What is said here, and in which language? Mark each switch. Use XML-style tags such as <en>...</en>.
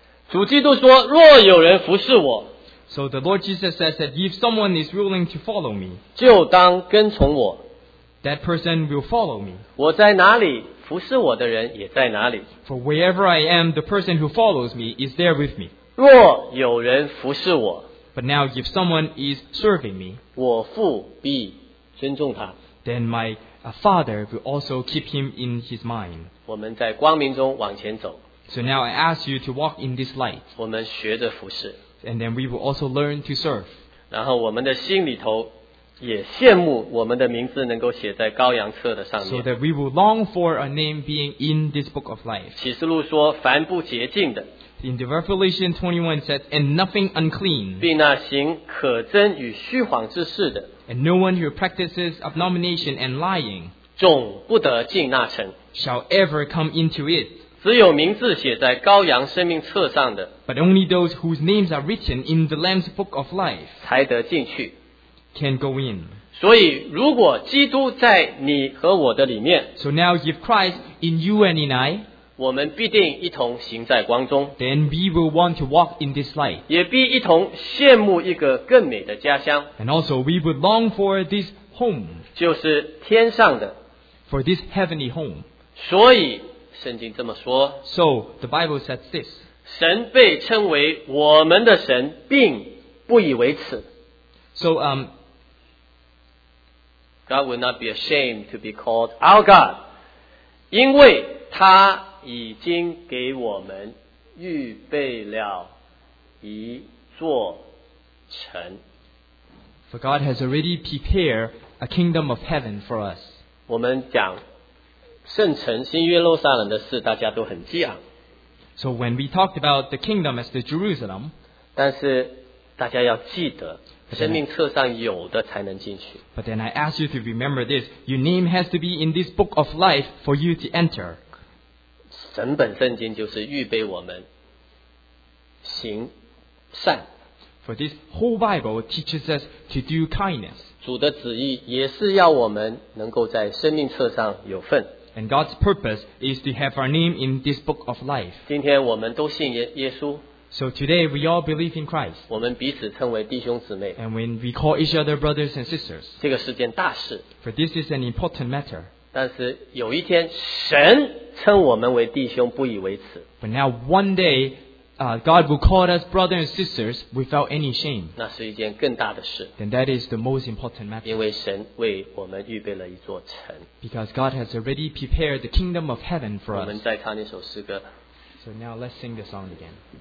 <zh>主基督说，若有人服侍我。</zh> <en>So the Lord Jesus says that if someone is willing to follow me,</en> <zh>就当跟从我。</zh> <en>That person will follow me.</en> <zh>我在哪里，服侍我的人也在哪里。</zh> <en>For wherever I am, the person who follows me is there with me.</en> <zh>若有人服侍我。</zh> <en>But now if someone is serving me,</en> <zh>我父必尊重他。</zh> <en>Then my father will also keep him in his mind.</en> <zh>我们在光明中往前走。</zh> <en>So now I ask you to walk in this light.</en> <zh>我们学着服侍。</zh> <en>And then we will also learn to serve.</en> <zh>然后我们的心里头也羡慕我们的名字能够写在羔羊册的上面。</zh> <en>So that we will long for a name being in this book of life.</en> <zh>启示录说凡不洁净的。</zh> <en>In the Revelation 21 says, and nothing unclean,</en> <zh>并那行可憎与虚谎之事的,</zh> <en>and no one who practices abomination and lying,</en> <zh>总不得进那城,</zh> <en>shall ever come into it,</en> <zh>只有名字写在羔羊生命册上的,</zh> <en>but only those whose names are written in the Lamb's Book of Life,</en> <zh>才得进去,</zh> <en>can go in.</en> <zh>所以如果基督在你和我的里面,</zh> <en>so now if Christ in you and in I,</en> <zh>我们必定一同行在光中</zh> <en>Then we will want to walk in this light.</en> <zh>也必一同羡慕一个更美的家乡</zh> <en>And also we would long for this home.</en> <zh>就是天上的</zh> <en>For this heavenly home.</en> <zh>所以圣经这么说</zh> <en>So the Bible says this.</en> <zh>神被称为我们的神并不以为耻</zh> <en>So God will not be ashamed to be called our God.</en> <zh>因为他已经给我们预备了一座城。</zh> <en>For God has already prepared a kingdom of heaven for us.</en> <zh>我们讲圣城新约路撒冷的事，大家都很激昂。</zh> <en>So when we talked about the kingdom as the Jerusalem,</en> <zh>但是大家要记得，生命册上有的才能进去。</zh> <en>But then I ask you to remember this: your name has to be in this book of life for you to enter.</en> <zh>整本圣经就是预备我们行善。</zh> <en>For this whole Bible teaches us to do kindness.</en> <zh>主的旨意也是要我们能够在生命册上有份。</zh> <en>And God's purpose is to have our name in this book of life.</en> <zh>今天我们都信耶稣。</zh> <en>So today we all believe in Christ.</en> <zh>我们彼此称为弟兄姊妹。</zh> <en>And when we call each other brothers and sisters.</en> <zh>这个是件大事。</zh> <en>For this is an important matter.</en> <zh>但是有一天神称我们为弟兄不以为耻。</zh> <en>But now one day, God will call us brothers and sisters without any shame.</en> <zh>那是一件更大的事。</zh> <en>Then that is the most important matter.</en> <zh>因为神为我们预备了一座城。</zh> <en>Because God has already prepared the kingdom of heaven for us.</en> <zh>我们再唱一首诗歌。</zh> <en>So now let's sing the song again.</en>